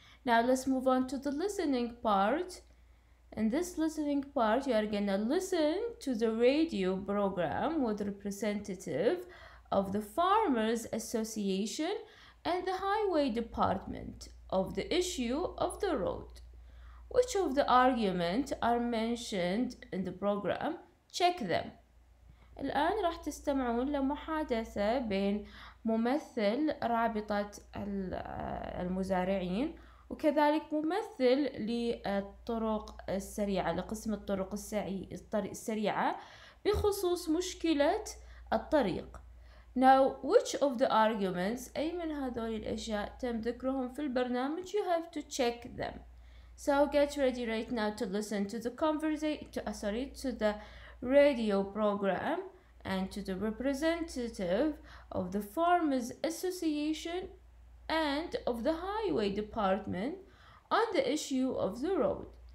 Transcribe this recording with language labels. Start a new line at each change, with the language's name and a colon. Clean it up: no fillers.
English: Now let's move on to the listening part. In this listening part, you are gonna listen to the radio program with representative of the Farmers Association and the Highway Department of the issue of the road. Which of the arguments are mentioned in the program? Check them.
Arabic: الآن راح تستمعون لمحادثة بين ممثل رابطة المزارعين وكذلك ممثل للطرق السريعة لقسم الطرق السريعة بخصوص مشكلة الطريق.
English: Now which of the arguments,
Arabic: أي من هذول الأشياء تم ذكرهم في البرنامج,
English: you have to check them. So get ready right now to listen to the to the radio program and to the representative of the Farmers Association and of the Highway Department on the issue of the road.